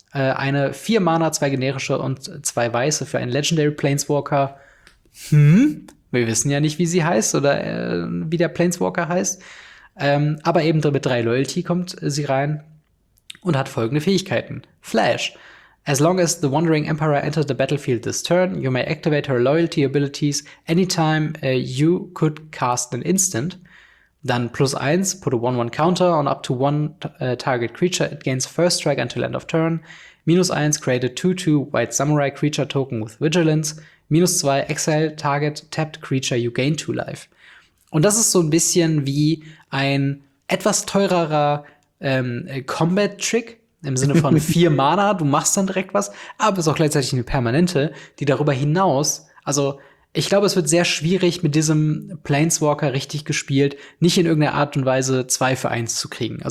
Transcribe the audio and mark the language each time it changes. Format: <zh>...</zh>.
<de>Eine 4 Mana, 2 generische und 2 weiße für einen Legendary Planeswalker. Wir wissen ja nicht, wie sie heißt oder wie der Planeswalker heißt. Aber eben mit 3 Loyalty kommt sie rein und hat folgende Fähigkeiten. Flash.</de> <en>As long as the Wandering Emperor enters the battlefield this turn, you may activate her Loyalty Abilities anytime you could cast an instant.</en> <de>Dann</de> <en>+1, put a 1/1 counter on up to one target creature. It gains first strike until end of turn. -1, create a 2/2 white samurai creature token with vigilance. -2, exile target tapped creature, you gain 2 life.</en> <de>Und das ist so ein bisschen wie ein etwas teurerer Combat-Trick im Sinne von 4 Mana. Du machst dann direkt was, aber ist auch gleichzeitig eine permanente, die darüber hinaus, also ich glaube, es wird sehr schwierig, mit diesem Planeswalker richtig gespielt, nicht in irgendeiner Art und Weise 2/1 zu kriegen.</de>